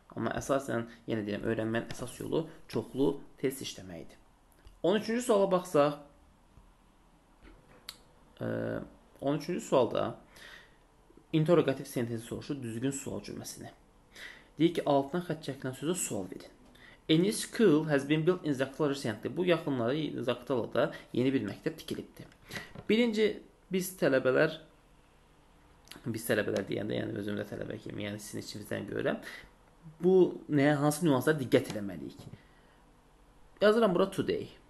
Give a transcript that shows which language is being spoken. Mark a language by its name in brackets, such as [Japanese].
[Azerbaijani] Amma əsasən, yenə deyirəm, öyrənmənin əsas yolu çoxlu test işləməkdir. 13-cü suala baxsaq, 13-cü sualda interrogative sentence soruşur düzgün sual cümləsini. Deyir ki, altına xətt çəkilən sözə sual verin. [English] A new school has been built in Zaqatala recently. [Azerbaijani] Bu yaxınlarda Zaqatala'da yeni bir məktəb tikilibdir. Birinci, biz tələbələr Biz tələbələr deyəndə, yəni özümüz də tələbə kimi, yəni sizin içinizdən görürəm. Bu nəyə, hansı nüanslara diqqət eləməliyik? Yazıram bura today.